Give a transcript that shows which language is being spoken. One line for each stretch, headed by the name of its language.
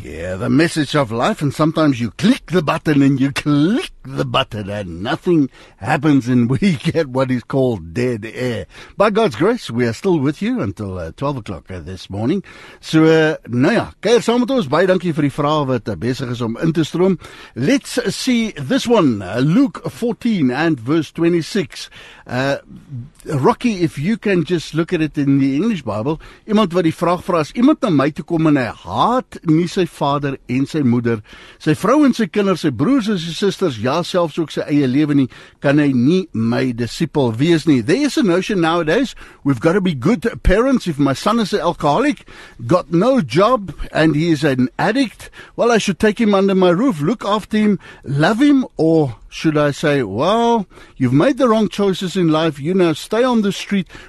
English: Yeah, the message of life, and sometimes you click the button and you click the button and nothing happens and we get what is called dead air. By God's grace, we are still with you until 12 o'clock this morning.
Afrikaans: So, keer saam met ons, baie dankie vir die vraag wat besig is om in te stroom.
English: Let's see this one, Luke 14 and verse 26.
Afrikaans: Rocky,
English: if you can just look at it in the English Bible,
Afrikaans: iemand wat die vraag vra, is iemand na my toe kom en hy haat nie sy vader en sy moeder, sy vrou en sy kinders, sy broers en sy susters, ja, daar selfs ook sy eie lewe nie, kan hy nie my disipel wees nie.
English: There is a notion nowadays, we've got to be good parents. If my son is an alcoholic, got no job, and he is an addict, well, I should take him under my roof, look after him, love him, or should I say, well, you've made the wrong choices in life, you know, stay on the street.